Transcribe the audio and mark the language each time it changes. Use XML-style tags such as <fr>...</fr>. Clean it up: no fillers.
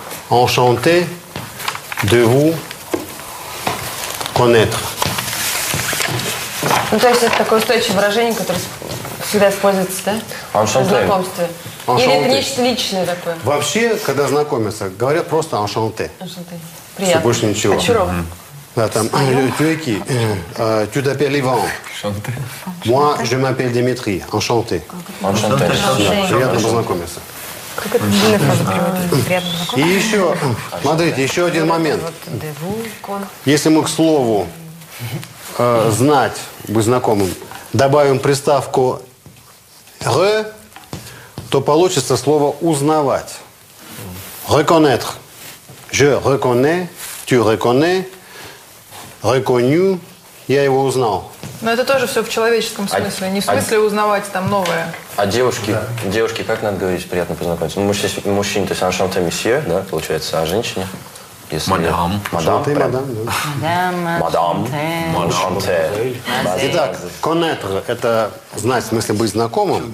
<fr>«Enchanté de vous connaître».</fr> <ru>Ну, то есть это такое устойчивое выражение, которое всегда используется, да?</ru> <fr>«Enchanté».</fr> <ru>В знакомстве.</ru> <fr>«Enchanté».</fr> <ru>Или это нечто личное такое? Вообще, когда знакомятся, говорят просто «enchanté».</ru> <fr>«Enchanté».</fr> <ru>Больше ничего. «Очарован». Да, там</ru> <fr>«tu-e-ki», «tu t'appelles Ivan». «Enchanté». «Moi, je m'appelle Dimitri». «Enchanté». «Enchanté».</fr> <ru>«Приятно познакомиться». Как это длинная фраза приводит? «Приятно познакомиться». И еще, смотрите, еще один момент. Если мы к слову «знать», быть знакомым, добавим приставку «р», то получится слово «узнавать».</ru> <fr>«Reconnaître». «Je reconnais», «tu reconnais», «reconnu»,</fr> <ru>«я его узнал». Но это тоже все в человеческом смысле, не в смысле узнавать там новое. А девушки, да. Девушки как надо говорить «приятно познакомиться»? Ну, мужчине, то есть «enchanté monsieur», да, получается, а женщине? Мадам. Мадам. Мадам.</ru> <fr>Enchanté.</fr> <ru>Итак, connaître – это знать, в смысле быть знакомым.</ru>